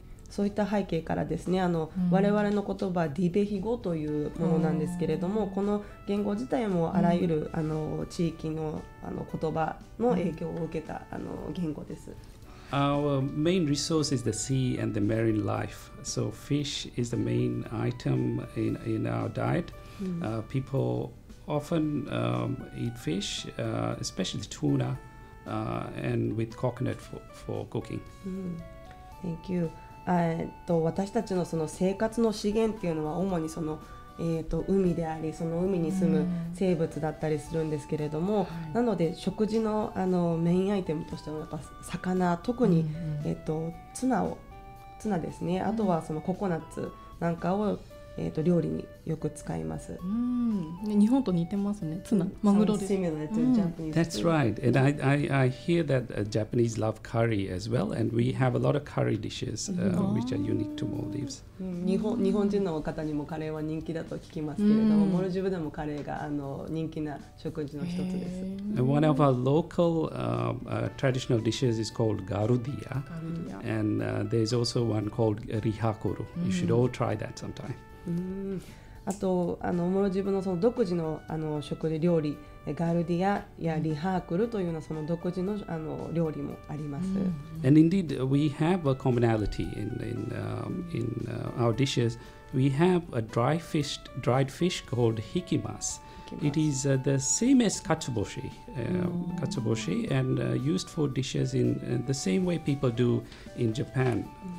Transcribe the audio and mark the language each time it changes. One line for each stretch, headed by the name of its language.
Japanese: そういった背景からですね、我々の言葉Divehi語というものなんですけれども、この言語自体もあらゆる、地域の言葉の影響を受けた、言語です。
English: Our main resource is the sea and the marine life. So fish is the main item in our diet. People often eat fish, especially tuna, and with coconut for cooking. Thank you.
Japanese: 私たちのその生活の資源っていうのは主にその海でありその海に住む生物だったりするんですけれども、なので食事 のメインアイテムとしてはやっぱ魚特に、ツナですね、あとはそのココナッツなんかを、料理によく使います。日本と似てますね、ツナマグロです。
English: Sounds similar to Japanese. That's right, and I hear that Japanese love curry as well, and we have a lot of curry dishes which are unique to Maldives.
Japanese: 日本人の方にもカレーは人気だと聞きますけれども、モルジブでもカレーが人気な食事の一つです。
English: One of our local traditional dishes is called Garudia, and there's also one called Rihakuru. You should all try that sometime.
Japanese: あとモルジブ その独自 の食事料理ガルディアやリハークルというようなその独自 の料理もあります。
English: And indeed, we have a commonality in our dishes. We have a dried fish called hikimasu. It is the same as katsuboshi and used for dishes in the same way people do in Japan.